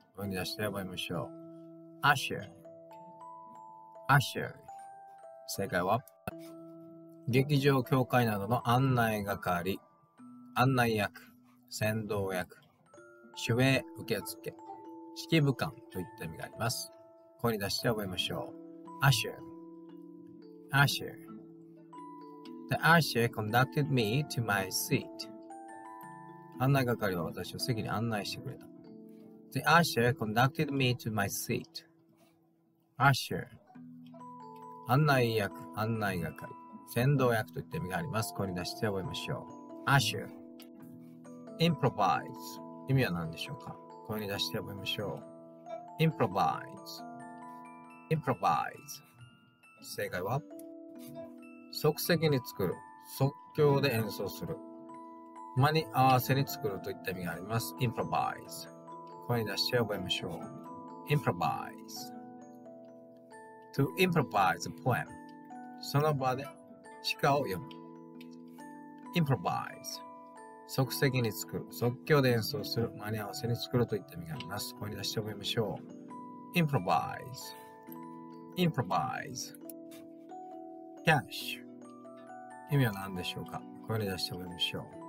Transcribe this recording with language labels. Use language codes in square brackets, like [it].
[ja] 声に出して覚えましょう。Usher Usher 正解は劇場、教会などの案内係、案内役、先導役、守衛、受付、指揮部官といった意味があります。声に出して覚えましょう。 [en] Usher Usher The Usher conducted me to my seat. [ja] 案内係は私を席に案内してくれた。 [en] The Usher conducted me to my seat. [ja] Usher 案内役、案内係、先導役といった意味があります。声に出して覚えましょう。Usher Improvise 意味は何でしょうか。声に出して覚えましょう。Improvise Improvise 正解は即席に作る、即興で演奏する、間に合わせに作るといった意味があります。 Improvise 声に出して覚えましょう。 [en] Improvise To improvise a poem [ja] その場で詩歌を読む。 Improvise 即席に作る、即興で演奏する、間に合わせに作るといった意味があります。声に出して覚えましょう。Improvise Improvise Cash 意味は何でしょうか。声に出して覚えましょう。